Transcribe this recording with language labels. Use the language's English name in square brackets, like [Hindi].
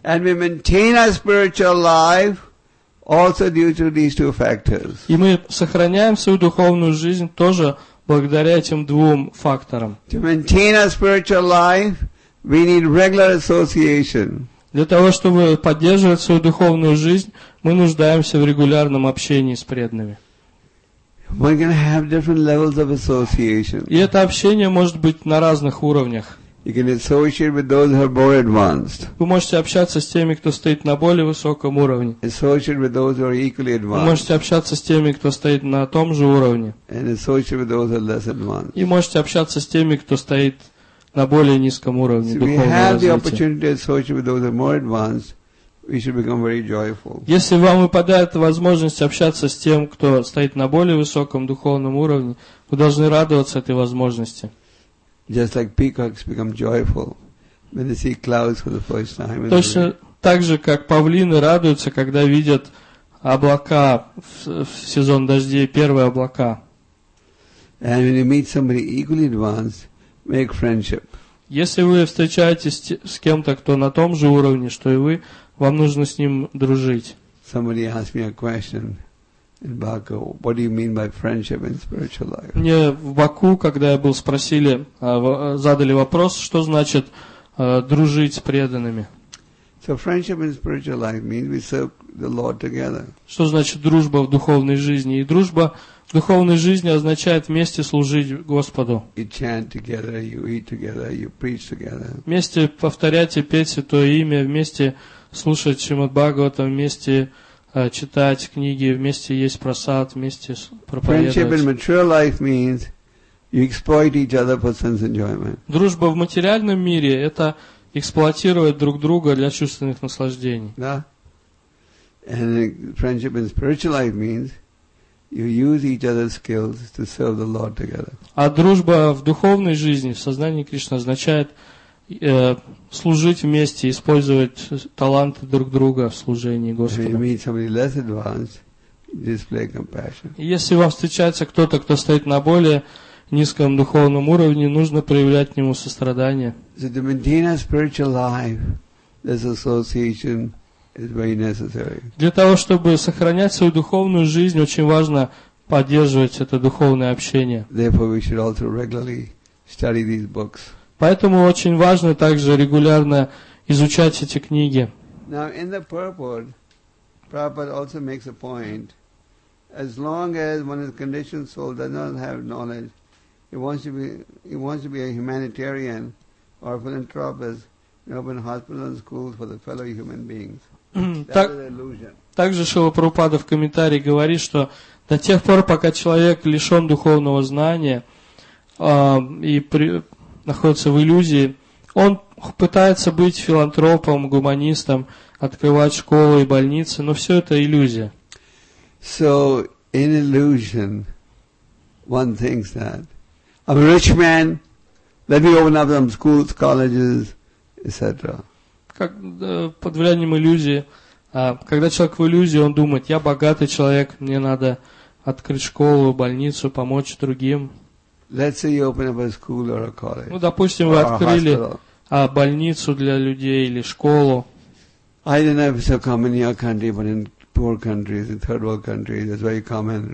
[English] And we maintain our spiritual life also due to these two factors. [Russian] И мы сохраняем свою духовную жизнь тоже благодаря этим двум факторам. [English] To maintain our spiritual life, we need regular association. [Russian] Для того, чтобы поддерживать свою духовную жизнь, мы нуждаемся в регулярном общении с преданными. [English] We're going to have different levels of association. [Russian] И это общение может быть на разных уровнях. [English] You can associate with those who are more advanced. [Russian] Вы можете общаться с теми, кто стоит на более высоком уровне. [English] Associate with those who are equally advanced. [Russian] Вы можете общаться с теми, кто стоит на том же уровне. [English] And associate with those who are less advanced. [Russian] И можете общаться с теми, кто стоит на более низком уровне духовного развития. [English] So we have the opportunity to associate with those who are more advanced. We should become very joyful. [Russian] Если вам выпадает возможность общаться с тем, кто стоит на более высоком духовном уровне, вы должны радоваться этой возможности. [English] Just like peacocks become joyful when they see clouds for the first time. [Russian] Точно так же, как павлины радуются, когда видят облака в сезон дождей, первые облака. [English] And when you meet somebody equally advanced, make friendship. [Russian] Если вы встречаетесь с кем-то, кто на том же уровне, что и вы, вам нужно с ним дружить. [English] Somebody asked me a question in Baku. What do you mean by friendship in spiritual life? [Russian] Мне в Баку, когда я был, спросили, задали вопрос, что значит дружить с преданными. [English] So friendship in spiritual life means we serve the Lord together. [Russian] Что значит дружба в духовной жизни? И дружба в духовной жизни означает вместе служить Господу. [English] You chant together, you eat together, you preach together. [Russian] Вместе повторять и петь Святое Имя, вместе слушать Шримад-Бхагаватам, вместе читать книги, вместе есть просад, вместе проповедовать. [English] Friendship in material life means you exploit each other for sense enjoyment. [Russian] Дружба в материальном мире – это эксплуатировать друг друга для чувственных наслаждений. Да. [English] And friendship in spiritual life means you use each other's skills to serve the Lord together. [Russian] А дружба в духовной жизни, в сознании Кришны, означает служить вместе, использовать таланты друг друга в служении Господу. [English] When you meet somebody less advanced, display compassion. [Russian] Если вам встречается кто-то, кто стоит на более низком духовном уровне, нужно проявлять к нему сострадание. [English] So to maintain a spiritual life, this association is very necessary. [Russian] Для того, чтобы сохранять свою духовную жизнь, очень важно поддерживать это духовное общение. [English] Therefore, we should also regularly study these books. [Russian] Поэтому очень важно также регулярно изучать эти книги. [English] Now, in the purport, Prabhupada also makes a point, as long as one is conditioned soul does not have knowledge, he wants to be a humanitarian or a philanthropist and open hospitals and schools for the fellow human beings. That is an illusion. [Russian] Также Шрила Прабхупада в комментарии говорит, что до тех пор, пока человек лишен духовного знания находится в иллюзии, он пытается быть филантропом, гуманистом, открывать школы и больницы, но все это иллюзия. [English] So, in illusion, one thinks that I'm a rich man, let me open up some schools, colleges, etc. [Russian] Как под влиянием иллюзии, когда человек в иллюзии, он думает, я богатый человек, мне надо открыть школу, больницу, помочь другим. [English] Let's say you open up a school or a college. [Russian] Ну, допустим, вы открыли больницу для людей или школу. [English] I don't know if it's so common in your country, but in poor countries, in third world countries, it's very common.